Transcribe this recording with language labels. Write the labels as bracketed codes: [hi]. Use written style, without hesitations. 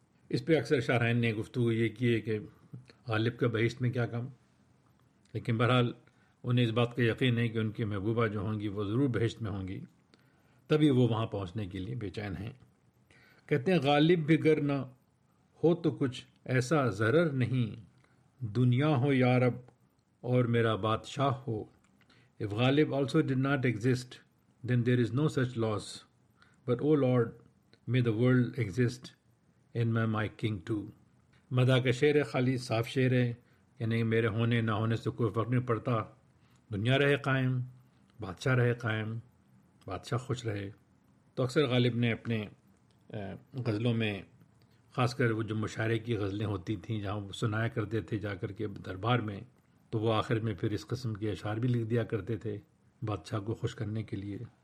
[ur] اس پہ اکثر شارحین نے گفتگو یہ کی ہے کہ غالب کا بہشت میں کیا کام, لیکن بہرحال انہیں اس بات کا یقین ہے کہ ان کی محبوبہ جو ہوں گی وہ ضرور بہشت میں ہوں گی, تبھی وہ وہاں پہنچنے کے لیے بے چین ہیں. کہتے ہیں غالب بھی گر نہ ہو تو کچھ ایسا ضرر نہیں, دنیا ہو یا رب اور میرا بادشاہ ہو. [en] If Ghalib also did not exist then there is no such loss, but oh Lord may the world exist in my king too. [ur] مدہ کا شعر ہے, خالی صاف شعر ہے, یعنی میرے ہونے نہ ہونے سے کوئی فرق نہیں پڑتا, دنیا رہے قائم, بادشاہ رہے قائم, بادشاہ خوش رہے. تو اکثر غالب نے اپنے غزلوں میں خاص کر وہ جو مشاعرے کی غزلیں ہوتی تھیں جہاں وہ سنایا کرتے تھے جا کر کے دربار میں, تو وہ آخر میں پھر اس قسم کے اشعار بھی لکھ دیا کرتے تھے بادشاہ کو خوش کرنے کے لیے.